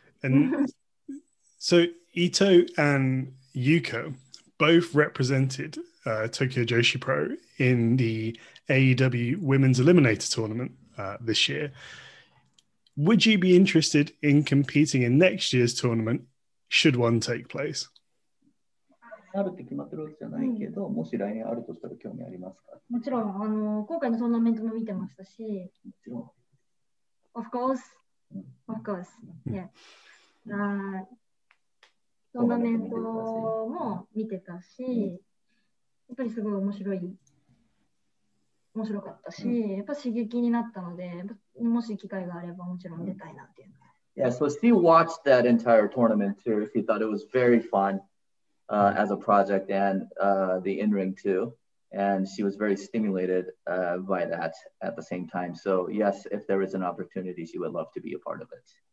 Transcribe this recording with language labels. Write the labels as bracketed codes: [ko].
[en] And so Ito and Yuko both represented Tokyo Joshi Pro in the AEW Women's Eliminator Tournament this year. Would you be interested in competing in next year's tournament, should one take place? [ja] あるって決まってるわけじゃないけど、もし来年あるとしたら興味ありますか？もちろん、今回のトーナメントも見てましたし、もちろん。 [en] Of course. Of course. Yeah. [ja] トーナメントも見てたし、やっぱりすごい面白かったし、やっぱ刺激になったので、もし機会があればもちろん出たいなっていう。 [en] Yeah, so she watched that entire tournament too. She thought it was very fun as a project and the in-ring too. And she was very stimulated by that at the same time. So yes, if there is an opportunity, she would love to be a part of it.